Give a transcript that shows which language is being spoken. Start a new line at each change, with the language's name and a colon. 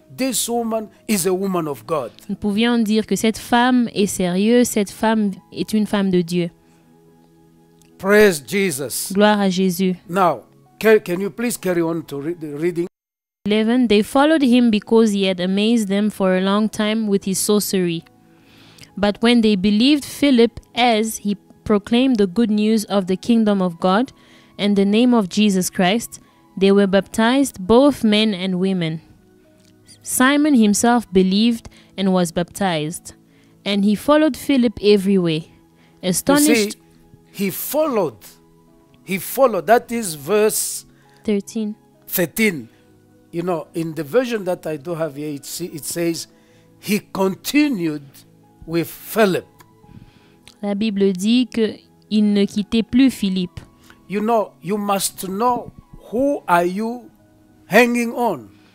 English: This woman is a woman of God.
French: Nous pouvions dire que cette femme est sérieuse, cette femme est une femme de Dieu.
English: Praise Jesus.
French: Gloire à Jésus.
English: Now, can you please carry on to reading? 11. They followed him because he had amazed them for a long time with his sorcery. But when they believed Philip as he proclaimed the good news of the kingdom of God and the name of Jesus Christ, they were baptized, both men and women. Simon himself believed and was baptized, and he followed Philip everywhere. Astonished, you see, he followed, that is verse 13. You know, in the version that I do have here, it says, he continued with Philip.
French: La Bible dit que il ne quittait plus Philippe.
English: You know, you must know who are you hanging on.